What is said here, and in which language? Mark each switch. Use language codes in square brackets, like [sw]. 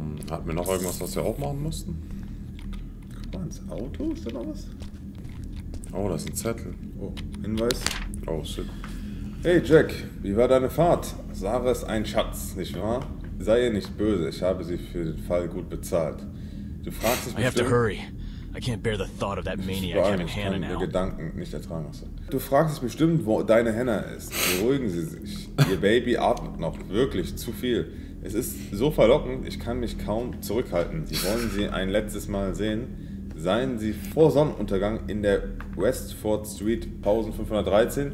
[de] Hatten wir noch irgendwas, was wir aufmachen mussten? Guck mal, ins Auto, ist da noch was? Oh, da ist ein Zettel. Oh, Hinweis. [en] Oh, shit. [de] Hey Jack, wie war deine Fahrt? Sarah ist ein Schatz, nicht wahr? Sei ihr nicht böse, ich habe sie für den Fall gut bezahlt. Du fragst dich bestimmt... [en] I have to hurry. I can't bear the thought of that maniac having Hannah now. [de] Ich kann mir Gedanken nicht ertragen. Also. Du fragst dich bestimmt, wo deine Hannah ist. Beruhigen Sie sich. Ihr Baby atmet noch wirklich zu viel. Es ist so verlockend, ich kann mich kaum zurückhalten. Sie wollen sie ein letztes Mal sehen. Seien Sie vor Sonnenuntergang in der Westford Street, Pausen 513.